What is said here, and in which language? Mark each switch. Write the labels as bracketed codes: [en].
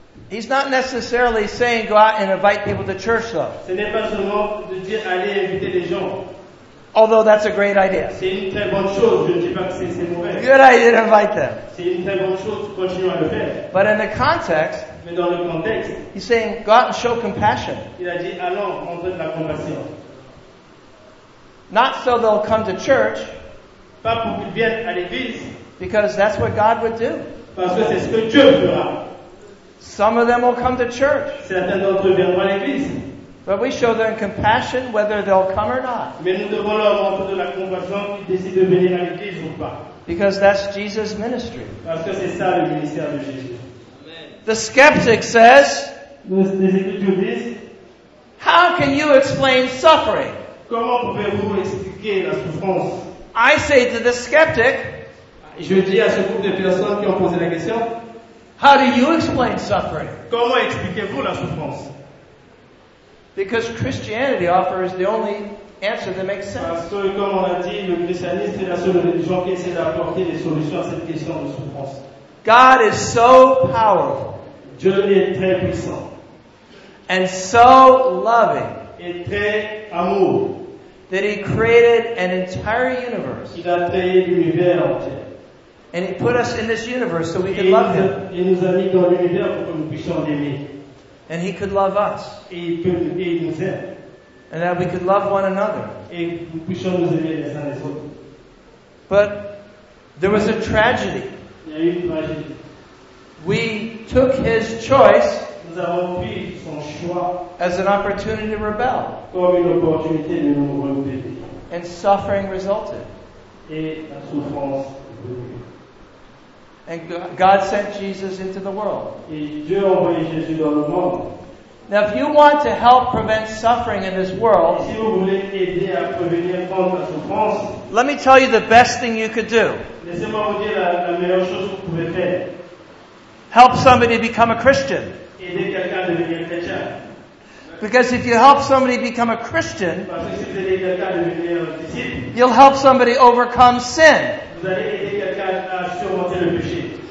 [en] He's not necessarily saying go out and invite people to church though. [fr] Ce n'est pas seulement de dire aller inviter les gens. [en] Although that's a great idea. [fr] C'est une très bonne chose. Je ne dis pas que c'est mauvais. [en] Good idea to invite them. [fr] C'est une très bonne chose. Continue à le faire. [en] But in the context, [fr] mais dans le contexte, [en] he's saying, go out and show compassion. [fr] Il a dit, allons, montrer de la compassion. [en] Not so they'll come to church. [fr] Pas pour qu'ils viennent à l'église. [en] Because that's what God would do. [fr] Parce que c'est ce que Dieu fera. [en] Some of them will come to church. [fr] Certains d'entre eux viendront à l'église. [en] But we show them compassion whether they'll come or not. [fr] Mais nous devons leur montrer de la compassion qu'ils décident de venir à l'église ou pas. [en] Because that's Jesus' ministry. [fr] Parce que c'est ça le ministère de Jésus. [en] The skeptic says, [fr] les écritures disent, [en] how can you explain suffering? [fr] Comment pouvez-vous expliquer la souffrance? [en] I say to the skeptic, [fr] je dis à ce groupe de personnes qui ont posé la question, [en] how do you explain suffering? [fr] Comment expliquez-vous la souffrance? [en] Because Christianity offers the only answer that makes sense. [fr] Parce que, comme on a dit, le christianisme est la seule religion qui essaie d'apporter des solutions à cette question de souffrance. [en] God is so powerful. [fr] Dieu est très puissant. [en] And so loving. [fr] Et très amour. [en] That he created an entire universe. [fr] Il a créé l'univers entier. [en] And he put us in this universe so we could love him. [fr] Il nous a mis dans l'univers pour que nous puissions l'aimer. [en] And he could love us. [fr] Et il nous aime. [en] And that we could love one another. [fr] Et nous puissions nous aimer les uns les autres. [en] But there was a tragedy. [fr] Il y a eu une tragédie. [en] We took his choice. [fr] Nous avons pris son choix. [en] As an opportunity to rebel. [fr] Comme une opportunité de nous rebeller. [en] And suffering resulted. [fr] Et la souffrance. [en] And God sent Jesus into the world. [fr] Et Dieu a envoyé Jésus dans le monde. [en] Now, if you want to help prevent suffering in this world, [fr] si vous voulez aider à prévenir contre la souffrance, [en] let me tell you the best thing you could do. [fr] Laissez-moi vous dire la meilleure chose que vous pouvez faire. [en] Help somebody become a Christian. [fr] Aider quelqu'un à devenir chrétien. [en] Because if you help somebody become a Christian, [fr] parce que si vous aidez quelqu'un à devenir disciple, [en] you'll help somebody overcome sin. [fr] Vous allez aider quelqu'un à surmonter le péché.